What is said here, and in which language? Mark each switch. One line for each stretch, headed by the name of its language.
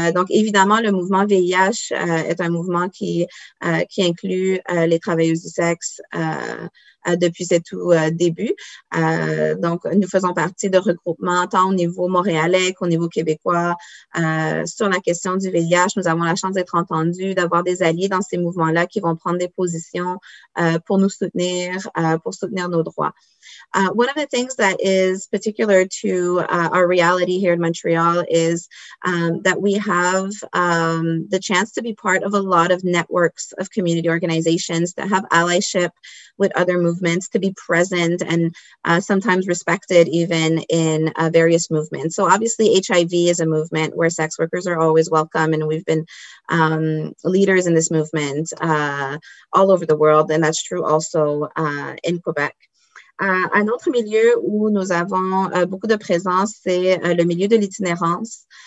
French: Évidemment, le mouvement VIH est un mouvement qui inclut les travailleuses du sexe depuis ses tout débuts. Nous faisons partie de regroupements tant au niveau montréalais qu'au niveau québécois sur la question du VIH. Nous avons la chance d'être entendus, d'avoir des alliés dans ces mouvements-là qui vont prendre des positions pour nous soutenir, pour soutenir nos droits.
English: One of the things that is particular to our reality here in Montreal is that we have the chance to be part of a lot of networks of community organizations that have allyship with other movements, to be present and sometimes respected even in various movements. So obviously HIV is a movement where sex workers are always welcome, and we've been leaders in this movement all over the world, and that's true also in Quebec.
French: Un autre milieu où nous avons beaucoup de présence, c'est le milieu de l'itinérance.